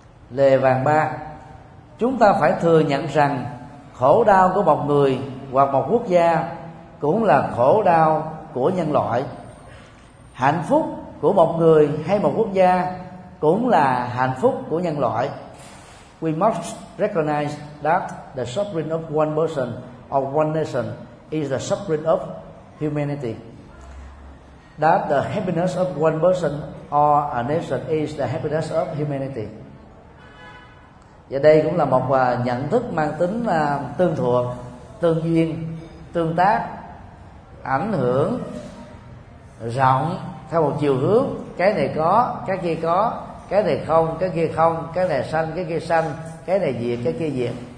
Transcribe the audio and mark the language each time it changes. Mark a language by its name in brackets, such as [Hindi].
[Vietnamese] Lề vàng ba, chúng ta phải thừa nhận rằng khổ đau của một người hoặc một quốc gia cũng là khổ đau của nhân loại. Hạnh phúc của một người hay một quốc gia cũng là hạnh phúc của nhân loại. [English] We must recognize that the suffering of one person or one nation is the suffering of humanity. That the happiness of one person or a nation is the happiness of humanity. [Vietnamese] Và đây cũng là một nhận thức mang tính tương thuộc, tương duyên, tương tác, ảnh hưởng rộng theo một chiều hướng. Cái này có, cái kia có, cái này không, cái kia không, cái này sanh, cái kia sanh, cái này diệt, cái kia diệt.